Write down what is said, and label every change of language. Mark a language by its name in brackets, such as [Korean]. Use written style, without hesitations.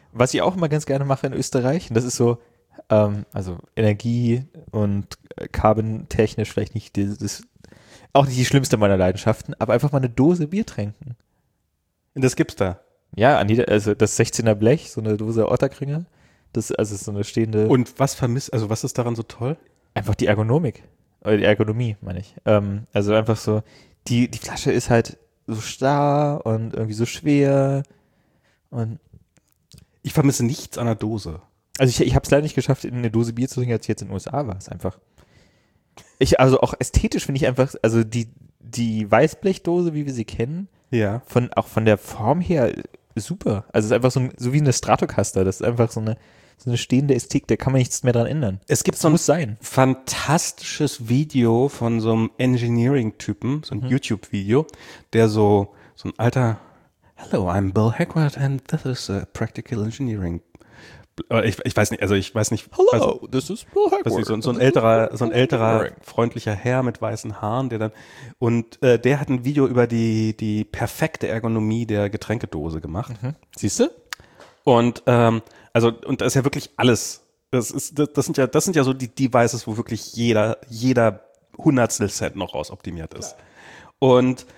[German] Und was ich auch immer ganz gerne mache in Österreich, und das ist so, also Energie und carbon-technisch vielleicht nicht das, auch nicht die schlimmste meiner Leidenschaften, aber einfach mal eine Dose Bier trinken. Und das gibt's da? Ja, also das 16er Blech, so eine Dose Otterkringer. Das, also so eine stehende. Und was vermisst, also was ist daran so toll? Einfach die Ergonomik. Oder die Ergonomie, meine ich. Also einfach so, die Flasche ist halt so starr und irgendwie so schwer. Und ich vermisse nichts an der Dose. Also ich habe es leider nicht geschafft, in eine Dose Bier zu trinken, als ich jetzt in den USA war. Es ist einfach. Ich, also auch ästhetisch finde ich einfach, also die Weißblechdose, wie wir sie kennen, ja, von, auch von der Form her super. Also es ist einfach so wie eine Stratocaster. Das ist einfach so eine stehende Ästhetik, da kann man nichts mehr dran ändern. Es gibt so ein fantastisches Video von so einem Engineering-Typen, so ein YouTube-Video, der so ein alter, [English] hello, I'm Bill Hackward and this is a practical engineering. [German] Ich weiß nicht. [English] Hello, this is Bill Hackward. [German] So ein älterer, freundlicher Herr mit weißen Haaren, der dann, und der hat ein Video über die perfekte Ergonomie der Getränkedose gemacht. Mhm. Siehst du? Und und das ist ja wirklich alles. Das sind ja so die Devices, wo wirklich jeder Hundertstel Cent noch rausoptimiert ist. Klar.